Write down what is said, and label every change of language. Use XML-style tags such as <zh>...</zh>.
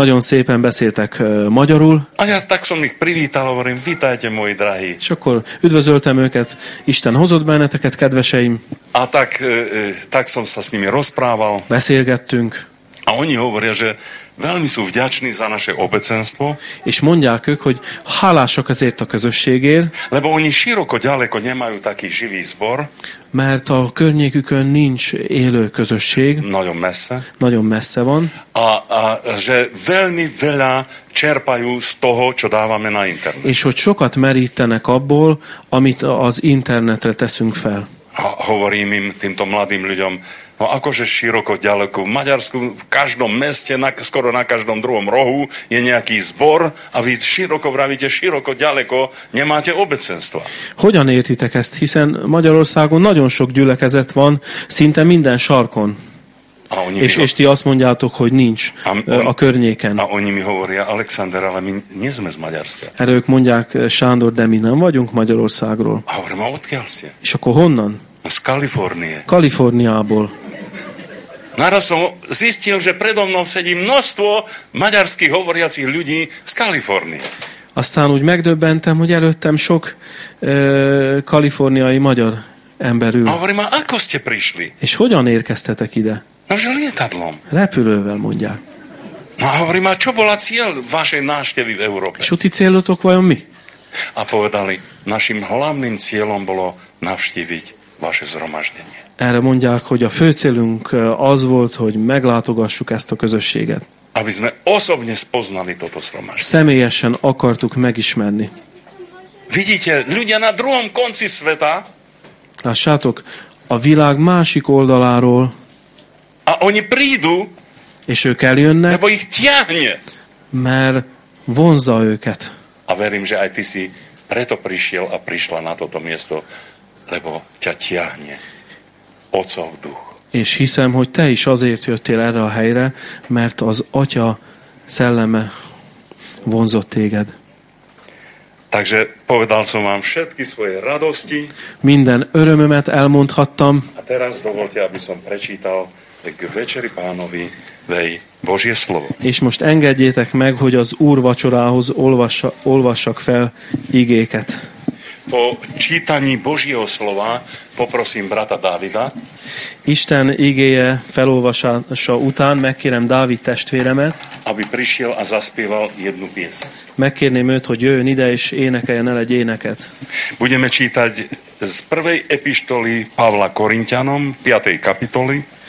<hu>Nagyon szépen beszéltek magyarul.</hu> <sk>A ja tak som ich privítal, hovorím, vitajte, moji drahí.</sk> <hu>És akkor üdvözöltem őket, Isten hozott benneteket, kedveseim.</hu> <sk>A tak, tak som sa s nimi rozprával.</sk> <hu>Beszélgettünk.</hu> <sk>A oni hovoria, že veľmi sú vďační za naše obecenstvo.</sk> <hu>És mondják ők, hogy hálások ezért a közösségért.</hu> <sk>Lebo oni široko, ďaleko nemajú taký živý zbor.</sk> <hu>Mert a környékükön nincs élő közösség. Nagyon messze. Nagyon messze van.</hu> <sk>A že veľmi veľa čerpajú z toho, čo dávame na internet.</sk> <hu>És hogy sokat merítenek abból, amit az internetre teszünk fel.</hu> <sk>A hovorím im, týmto mladým ľuďom, no akože široko, ďaleko. V Maďarsku, v každom meste, skoro na každom druhom rohu je nejaký zbor a vy široko vravíte, široko, ďaleko, nemáte obecenstva.</sk> <hu>Hogyan értitek ezt? Hiszen Magyarországon nagyon sok gyülekezet van, szinte minden sarkon.</hu> <sk>A oni</sk> <hu>és ti azt mondjátok, hogy nincs a környéken.</hu> <sk>A oni mi hovoria, Alexander, ale mi nie sme z Maďarska.</sk> <hu>Erre ők mondják, Sándor, de mi nem vagyunk Magyarországról.</hu> <sk>A hovorím, a odkiaľ si?</sk> <hu>És akkor honnan?</hu> <sk>Z Kalifornie.</sk> <hu>Kaliforniából.</hu> <sk>Naraz som zistil, že predo mnou sedí množstvo maďarských hovoriacich ľudí z Kalifornie.</sk> <hu>Aztán úgy megdöbbentem, hogy előttem sok kaliforniai magyar ember ül.</hu> <sk>A hovorím, a ako ste prišli?</sk> <hu>És hogyan érkeztetek ide?</hu> <sk>No, že lietadlom.</sk> <hu>Repülővel, mondják.</hu> <sk>No, a hovorím, a čo bola cieľ vašej návštevy v Európe? Čo ti cieľotok vajom my? A povedali, našim hlavným cieľom bolo navštíviť vaše zhromaždenie.</sk> <hu>Erre mondják, hogy a fő célunk az volt, hogy meglátogassuk ezt a közösséget.</hu> <sk>aby sme osobne spoznali toto zhromaždenie.</sk> <hu>Személyesen akartuk megismerni.</hu> <sk>Vidíte, ľudia na druhom konci sveta.</sk> <hu>Lássátok, a világ másik oldaláról.</hu> <sk>A oni prídu.</sk> <hu>És ők eljönnek.</hu> <sk>Lebo ich ťahne.</sk> <hu>Mert vonza őket.</hu> <sk>A verím, že aj ty si preto prišiel a prišla na toto miesto, lebo ťa ťahne. Otcov duch.</sk> <hu>És hiszem, hogy te is azért jöttél erre a helyre, mert az Atya szelleme vonzott téged.</hu> <sk>Takže povedal som vám všetky svoje radosti.</sk> <hu>Minden örömömet elmondhattam.</hu> <sk>A teraz dovolte, aby som prečítal k večeri Pánovi vej Božie slovo.</sk> <hu>És most engedjétek meg, hogy az Úr vacsorához olvassak fel igéket.</hu> <sk>Po čítaní Božieho slova poprosím brata Dávida.</sk> <hu>Isten igéje felolvasása után megkérem Dávid testvéremet,</hu> <sk>aby prišiel a zaspieval jednu piesň.</sk> <hu>Megkérném őt, hogy jöjjön ide és énekeljen el egy éneket.</hu> <sk>Budeme čítať z prvej epištoly Pavla Korintianom, 5. kapitoly.</sk>